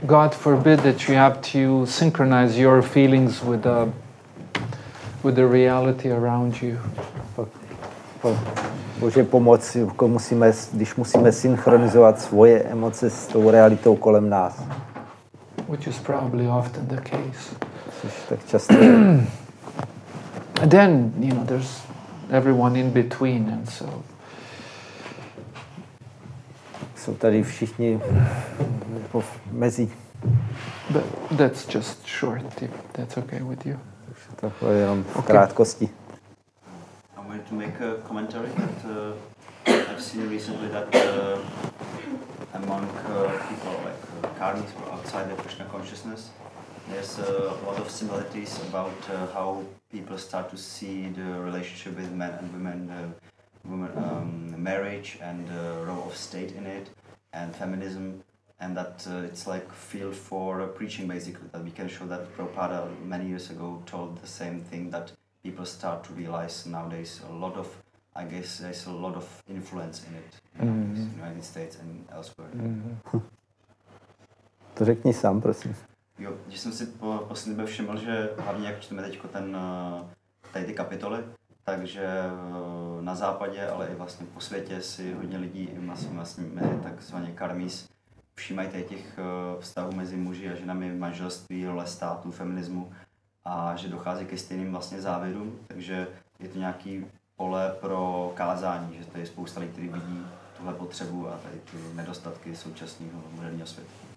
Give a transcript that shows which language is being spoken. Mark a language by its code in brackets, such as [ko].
[en] God forbid that you have to synchronize your feelings with the reality around you. [cs] Bože pomoc, když musíme synchronizovat svoje emoce s tou realitou kolem nás. [en] Which is probably often the case. [cs] Což tak často. [en] And then, you know, there's everyone in between, and so. [cs] Jsou tady všichni mezi. [en] But that's just short, if that's okay with you. [cs] Takhle jenom v krátkosti. [en] I'm going to make a commentary that I've seen recently that among people like karmis or outside the Krishna consciousness, there's a lot of similarities about how people start to see the relationship with men and women, marriage and the role of state in it, and feminism. And that it's like field for preaching, basically, that we can show that Prabhupada many years ago told the same thing that people start to realize nowadays. There's a lot of influence in it, in the United States and elsewhere. [cs] Mm-hmm. To řekni sám, prosím. Jo, že jsem si poslední době všiml, že hlavně jak čteme teď ty kapitoly, Takže na západě, ale i vlastně po světě si hodně lidí, vlastně takzvaně karmis, všímají těch vztahů mezi muži a ženami v manželství, role státu, feminismu a že dochází ke stejným vlastně závěrům, takže je to nějaký pole pro kázání, že tady je spousta lidí, kteří vidí tuhle potřebu a tady ty nedostatky současného moderního světa.